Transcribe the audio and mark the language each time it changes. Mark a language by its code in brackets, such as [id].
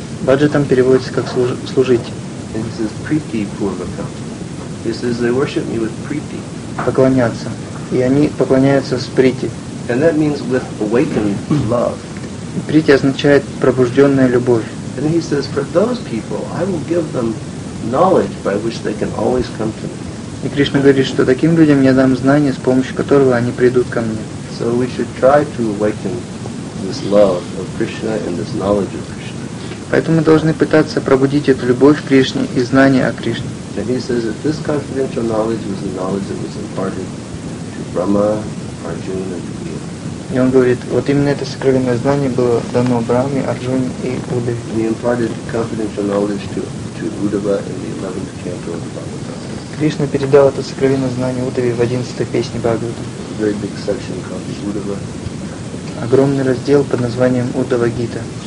[ru] Bhajatam переводится как служить. [en] And he says [sa] priti purvakam. [en] He says they worship me with priti. [ru] Поклоняться. И они поклоняются с прити. [en] And that means with awakened love. [ru] Прити означает пробужденная любовь. [en] And he says, for those people, I will give them knowledge by which they can always come to me. [ru] И Кришна говорит, что таким людям я дам знания, с помощью которого они придут ко мне. [en] So we should try to awaken this love of Krishna and this knowledge of Krishna. [ru] Поэтому мы должны пытаться пробудить эту любовь к Кришне и знание о Кришне. [en] And he says that this confidential knowledge was the knowledge that was imparted to Brahma, Arjuna, and [ru] И он говорит, вот именно это сокровенное знание было дано Брахме, Арджуне и Удаве. [en] He imparted confidential knowledge to Uddhava in the 11th canto of the Bhagavad Gita. [ru] Кришна передал это сокровенное знание Удаве в 11-й песне Бхагавата. [en] Very big section called Uddhava. [ru] Огромный раздел под названием Удава Гита.